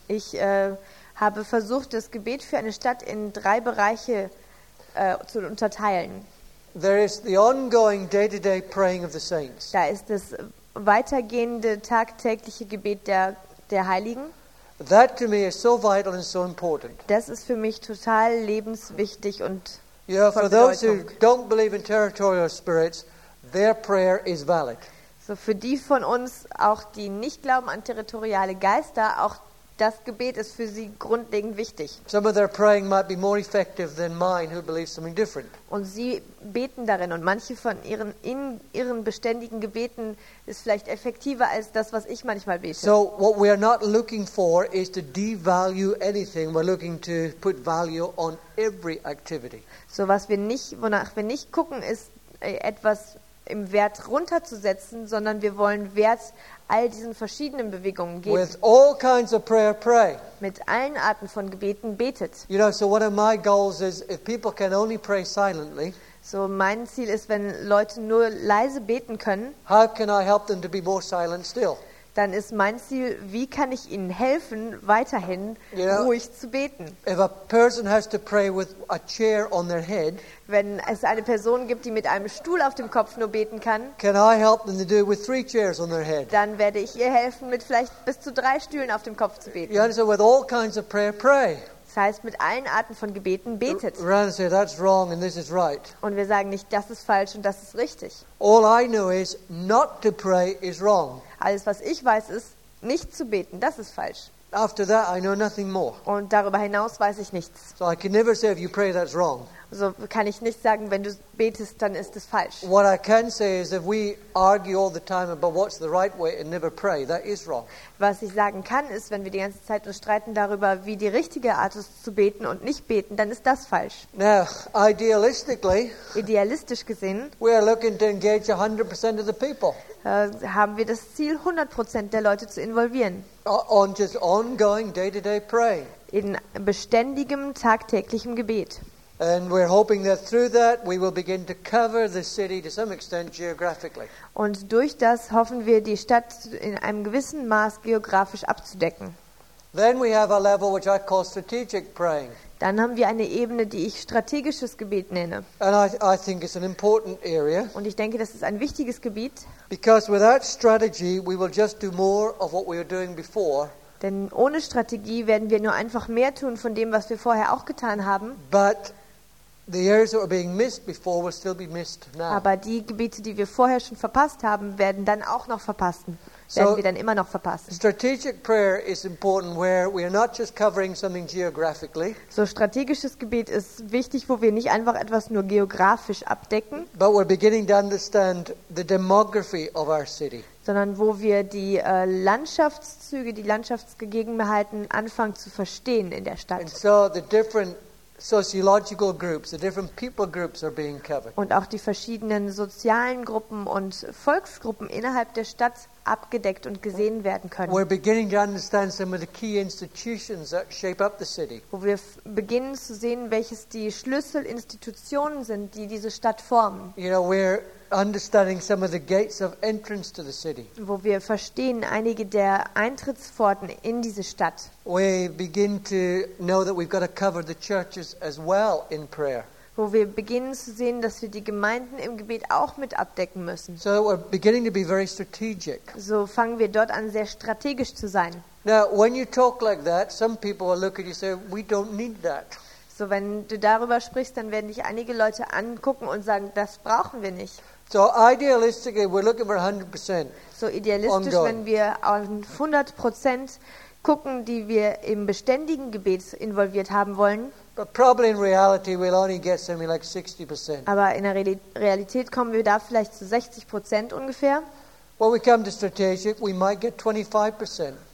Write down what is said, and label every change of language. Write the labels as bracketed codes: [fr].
[de] Ich habe versucht, das Gebet für eine Stadt in drei Bereiche zu unterteilen. [en] There is the ongoing day-to-day praying of the saints. [de] Da ist das weitergehende tagtägliche Gebet der Heiligen. [en] That to me is so vital and so important. [de] Das ist für mich total lebenswichtig und von Bedeutung. [en] For those who don't believe in territorial spirits, their prayer is valid. [de] So für die von uns, auch die nicht glauben an territoriale Geister, auch das Gebet ist für sie grundlegend wichtig. [en] Some of their praying might be more effective than mine, who believes something different. [de] Und sie beten darin, und manche von ihren beständigen Gebeten ist vielleicht effektiver als das, was ich manchmal bete. [en] So what we are not looking for is to devalue anything. We're looking to put value on every activity. [de] So was wir nicht, wonach wir nicht gucken, ist etwas im Wert runterzusetzen, sondern wir wollen Wert all diesen verschiedenen Bewegungen geben. [en] With all kinds of prayer, pray. [de] Mit allen Arten von Gebeten betet. [en] You know, so one of my goals is if people can only pray silently. [de] So mein Ziel ist, wenn Leute nur leise beten können. [en] How can I help them to be more silent still? [de] Dann ist mein Ziel, wie kann ich ihnen helfen, weiterhin ruhig zu beten. [en] If a person has to pray with a chair on their head, [de] wenn es eine Person gibt, die mit einem Stuhl auf dem Kopf nur beten kann, [en] can I help them to do it with three chairs on their head? [de] Dann werde ich ihr helfen, mit vielleicht bis zu drei Stühlen auf dem Kopf zu beten. [en] You understand? With all kinds of prayer, pray. [de] Das heißt, mit allen Arten von Gebeten betet. [en] Rather say, that's wrong and this is right. [de] Und wir sagen nicht, das ist falsch und das ist richtig. [en] All I know is, not to pray is wrong. [de] Alles, was ich weiß, ist, nicht zu beten. Das ist falsch. [en] After that, I know nothing more. [de] Und darüber hinaus weiß ich nichts. [en] So I can never say, if you pray, that's wrong. [de] So kann ich nicht sagen, wenn du betest, dann ist es falsch. [en] What I can say is, if we argue all the time about what's the right way and never pray, that is wrong. [de] Was ich sagen kann, ist, wenn wir die ganze Zeit uns streiten darüber, wie die richtige Art ist zu beten und nicht beten, dann ist das falsch. [en] Now, idealistically, [de] idealistisch gesehen, [en] we are looking to engage 100% of the people. [de] Haben wir das Ziel, 100% der Leute zu involvieren. [en] On just ongoing day-to-day praying. [de] In beständigem tagtäglichem Gebet. [en] And we're hoping that through that we will begin to cover the city to some extent geographically. [de] Und durch das hoffen wir, die Stadt in einem gewissen Maß geografisch abzudecken. [en] Then we have a level which I call strategic praying. [de] Dann haben wir eine Ebene, die ich strategisches Gebet nenne. [en] And I think it's an important area. [de] Und ich denke, das ist ein wichtiges Gebiet. [en] Because without strategy we will just do more of what we were doing before. [de] Denn ohne Strategie werden wir nur einfach mehr tun von dem, was wir vorher auch getan haben. Aber die Gebiete, die wir vorher schon verpasst haben, werden dann auch noch verpassen. werden wir dann immer noch verpassen. [en] Strategic prayer is important where we are not just covering something geographically. [de] So strategisches Gebet ist wichtig, wo wir nicht einfach etwas nur geografisch abdecken. [en] But we're beginning to understand the demography of our city. [de] Sondern wo wir die Landschaftszüge, die Landschaftsgegebenheiten anfangen zu verstehen in der Stadt. [en] And so the different sociological groups, the different people groups are being covered. [de] Und auch die verschiedenen sozialen Gruppen und Volksgruppen innerhalb der Stadt abgedeckt und gesehen werden können. [en] We're beginning to understand some of the key institutions that shape up the city. [de] Wo wir beginnen zu sehen, welches die Schlüsselinstitutionen sind, die diese Stadt formen. [en] You know, we're understanding some of the gates of entrance to the city. [de] Wo wir verstehen einige der Eintrittspforten in diese Stadt. [en] We begin to know that we've got to cover the churches as well in prayer. [de] Wo wir beginnen zu sehen, dass wir die Gemeinden im Gebet auch mit abdecken müssen. [en] So we're beginning to be very strategic. [de] So fangen wir dort an, sehr strategisch zu sein. [en] Now, when you talk like that, some people will look at you and say, we don't need that. [de] So wenn du darüber sprichst, dann werden dich einige Leute angucken und sagen, das brauchen wir nicht. [en] So idealistically, we're looking for 100%. [de] So idealistisch, ongoing. Wenn wir auf 100% gucken, die wir im beständigen Gebet involviert haben wollen. [en] But probably in reality we'll only get something like 60%. [de] Aber in der Realität kommen wir da vielleicht zu 60% ungefähr. [en] When we come to strategic, we might get 25%.